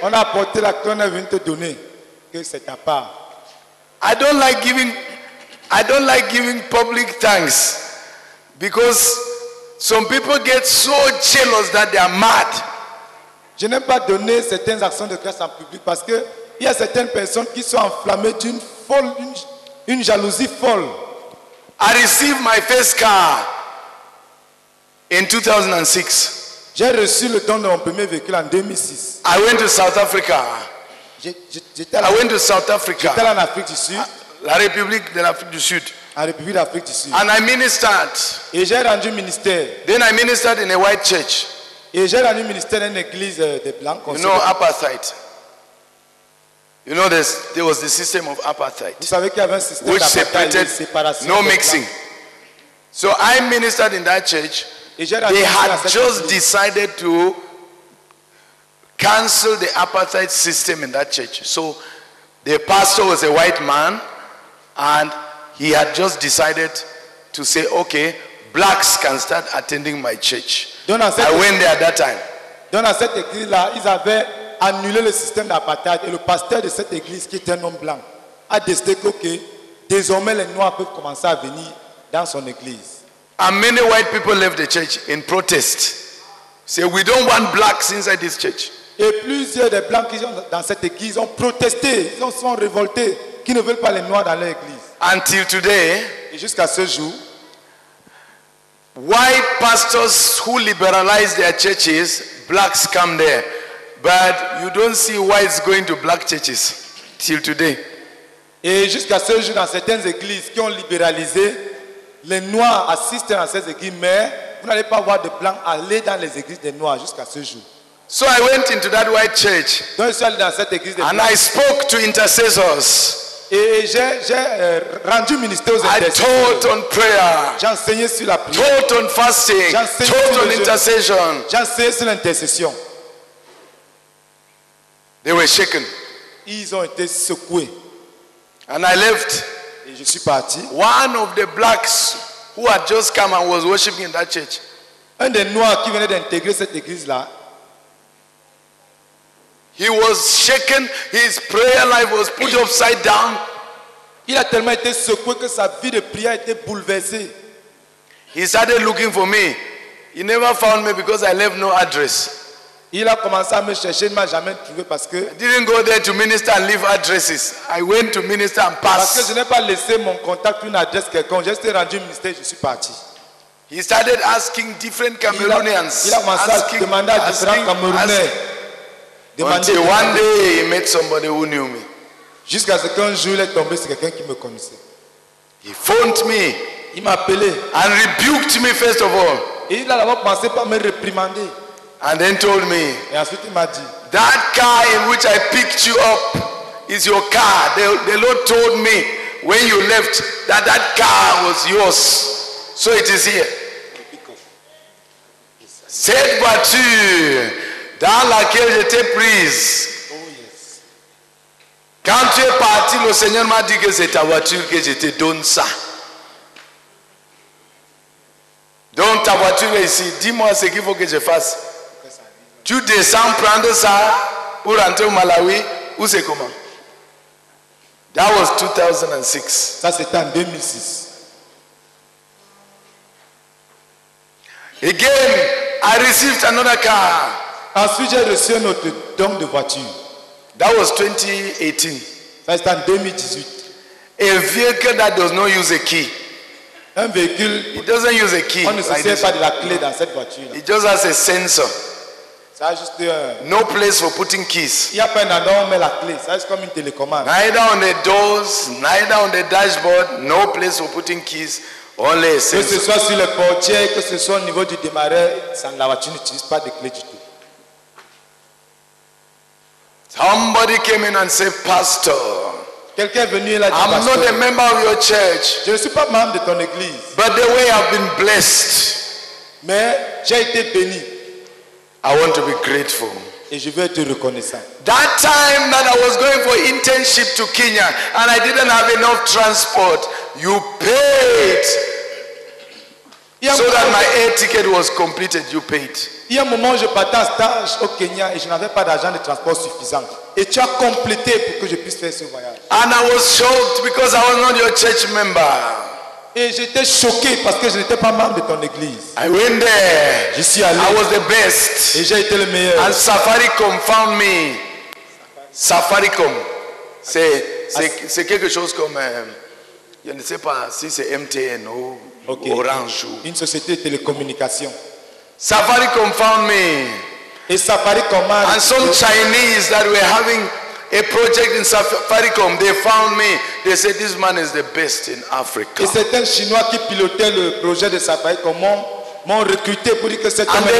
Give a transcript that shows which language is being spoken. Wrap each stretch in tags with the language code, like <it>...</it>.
<fr>On a apporté la clé, on est venu te donner que c'est ta part.</fr> <en>I don't like giving public thanks because some people get so jealous that they are mad.</en> <fr>Je n'aime pas donner certaines actions de grâce en public parce que il y a certaines personnes qui sont enflammées d'une folle, une jalousie folle.</fr> <en>I received my first car in 2006.</en> <fr>J'ai reçu le don de mon premier véhicule en 2006.</fr> <en>I went to South Africa.</en> <fr>J'étais en Afrique du Sud. La République de l'Afrique du Sud.</fr> <en>And I ministered.</en> <fr>Et j'ai rendu ministère.</fr> <en>Then I ministered in a white church.</en> <fr>Et j'ai rendu ministère dans une église de blancs.</fr> <en>You know apartheid. You know there was the system of apartheid.</en> <fr>Vous savez qu'il y avait un système</fr> <en>which separated no mixing. So I ministered in that church.</en> <fr>Et j'ai</fr> <en>they had just place. Decided to cancel the apartheid system in that church. So the pastor was a white man and he had just decided to say, okay, blacks can start attending my church. I went there at that time.</en> <fr>Dans cette église-là, ils avaient annulé le système d'apartheid et le pasteur de cette église, qui était un homme blanc, a décidé que, okay, désormais les noirs peuvent commencer à venir dans son église.</fr> <en>And many white people left the church in protest. Say, we don't want blacks inside this church.</en> <fr>Et plusieurs des blancs qui sont dans cette église ont protesté, ils se sont révoltés, qui ne veulent pas les noirs dans leur église.</fr> <en>Until today,</en> <fr>et jusqu'à ce jour,</fr> <en>white pastors who liberalize their churches, blacks come there. But you don't see whites going to black churches till today.</en> <fr>Et jusqu'à ce jour, dans certaines églises qui ont libéralisé, les noirs assistent dans ces églises, mais vous n'allez pas voir de blancs aller dans les églises des noirs jusqu'à ce jour.</fr> <en>So I went into that white church.</en> <fr>Donc je suis allé dans cette église des blancs.</fr> <en>And I spoke to intercessors.</en> <fr>Et j'ai rendu ministère aux intercesseurs.</fr> <en>I taught on prayer.</en> <fr>J'enseignais sur la prière.</fr> <en>Taught on fasting. Taught on intercession.</en> <fr>J'enseignais sur l'intercession.</fr> <en>They were shaken.</en> <fr>Ils ont été secoués.</fr> <en>And I left.</en> <fr>Et je suis parti.</fr> <en>One of the blacks who had just come and was worshiping in that church.</en> <fr>Un des noirs qui venait d'intégrer cette église-là.</fr> <en>He was shaken, his prayer life was put upside down.</en> <fr>Il a tellement été secoué que sa vie de prière était bouleversée.</fr> <en>He started looking for me. He never found me because I left no address.</en> <fr>Il a commencé à me chercher, il ne m'a jamais trouvé parce que</fr> <en>I didn't go there to minister and leave addresses. I went to minister and pass.</en> <fr>Parce que je n'ai pas laissé mon contact ou une adresse quelconque. J'ai été rendu ministère, je suis parti.</fr> <en>He started asking different Cameroonians.</en> <fr>Il a commencé à demander à différents Camerounais.</fr> <en>Until one day he met somebody who knew me.</en> <fr>Jusqu'à ce qu'un jour il est tombé sur quelqu'un qui me connaissait.</fr> <en>He phoned me.</en> <fr>Il m'a appelé.</fr> <en>And rebuked me first of all.</en> <fr>Et il a d'abord commencé par me réprimander.</fr> <en>And then told me.</en> <fr>Et ensuite il m'a dit.</fr> <en>That car in which I picked you up is your car. The Lord told me when you left that car was yours. So it is here.</en> <fr>Cette voiture dans laquelle j'étais prise. Quand tu es parti, le Seigneur m'a dit que c'est ta voiture, que je te donne ça. Donc ta voiture est ici. Dis-moi ce qu'il faut que je fasse. Tu descends prendre ça pour rentrer au Malawi ou c'est comment?</fr> <en>That was 2006.</en> <fr>Ça c'était en 2006.</fr> <en>Again, I received another car.</en> <fr>Ensuite j'ai reçu un autre don de voiture.</fr> <en>That was 2018.</en> <fr>Ça c'était en 2018.</fr> <en>A vehicle that does not use a key.</en> <fr>Un véhicule.</fr> <en>It doesn't use a key.</en> <fr>On ne se sert pas de la clé dans cette voiture.</fr> <en>It just has a sensor.</en> <fr>Ça a juste</fr> <en>no place for putting keys.</en> <fr>Il y a pas un endroit où on met la clé. Ça c'est comme une télécommande.</fr> <en>Neither on the doors, neither on the dashboard, no place for putting keys. Only a sensor.</en> <fr>Que ce soit sur le portier, que ce soit au niveau du démarreur, ça, la voiture n'utilise pas de clé du tout.</fr> <en>Somebody came in and said, Pastor,</en> <fr>quelqu'un venu et l'a dit,</fr> <en>I'm Pastor, not a member of your church.</en> <fr>Je ne suis pas membre de ton église.</fr> <en>But the way I've been blessed.</en> <fr>Mais j'ai été béni.</fr> <en>I want to be grateful.</en> <fr>Et je veux être reconnaissant.</fr> <en>That time that I was going for internship to Kenya and I didn't have enough transport, you paid. So that my air ticket was completed, you paid.</en> <fr>Il y a un moment où je partais en stage au Kenya et je n'avais pas d'argent de transport suffisant. Et tu as complété pour que je puisse faire ce voyage.</fr> <en>And I was shocked because I was not your church member.</en> <fr>Et j'étais choqué parce que je n'étais pas membre de ton église.</fr> <en>I went there.</en> <fr>Je suis allé.</fr> <en>I was the best.</en> <fr>Et j'ai été le meilleur.</fr> <en>And Safaricom found me. Safaricom.</en> <fr>C'est quelque chose comme, je ne sais pas si c'est MTN ou...</fr> <en>Okay.</en> <fr>Orange. Une société de télécommunication.</fr> <en>Safaricom found me.</en> <fr>Et Safaricom a...</fr> <en>And some Chinese that were having a project in Safaricom, they found me. They said this man is the best in Africa.</en> <fr>Et certains Chinois qui pilotaient le projet de Safaricom m'ont recruté pour dire que cet homme est meilleur.</fr>